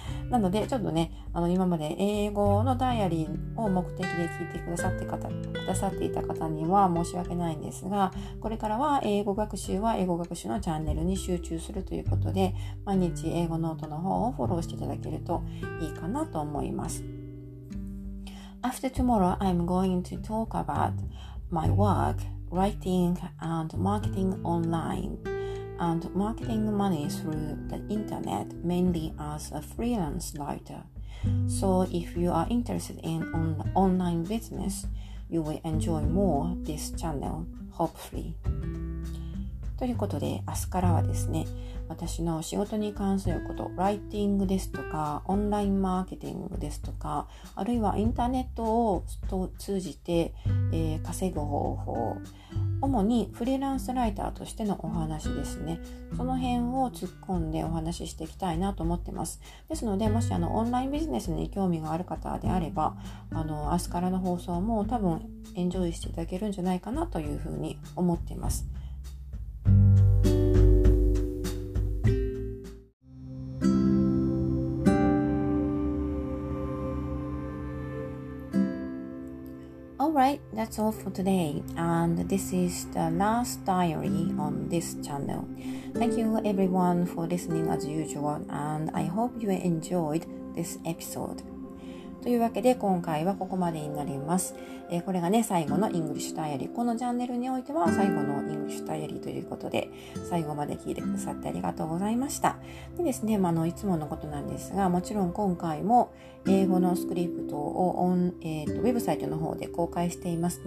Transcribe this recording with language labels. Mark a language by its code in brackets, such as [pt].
[ja] なので、ちょっとね、今まで英語のダイアリーを目的で聞いてくださって方、くださっていた方には申し訳ないんですが、これからは英語学習は英語学習のチャンネルに集中するということで、毎日英語ノートの方をフォローしていただけるといいかなと思います。 [en] After tomorrow, I'm going to talk about my work, writing and marketing online, and marketing money through the internet, mainly as a freelance writer. So if you are interested in online business, you will enjoy more this channel, hopefully. [ja] ということで、明日からはですね、私の仕事に関することライティングですとかオンラインマーケティングですとか、あるいはインターネットを通じて、稼ぐ方法、主にフリーランスライターとしてのお話ですね、その辺を突っ込んでお話ししていきたいなと思ってます。ですので、もしオンラインビジネスに興味がある方であれば、明日からの放送も多分エンジョイしていただけるんじゃないかなというふうに思っています。 [en] Alright, that's all for today, and this is the last diary on this channel. Thank you everyone for listening as usual, and I hope you enjoyed this episode. [ja] というわけで今回はここまでになります。これがね、最後の English Diary。このチャンネルにおいては最後の English Diary ということで、最後まで聞いてくださってありがとうございました。でですね、いつものことなんですが、もちろん今回も英語のスクリプトをウェブサイトの方で公開しています。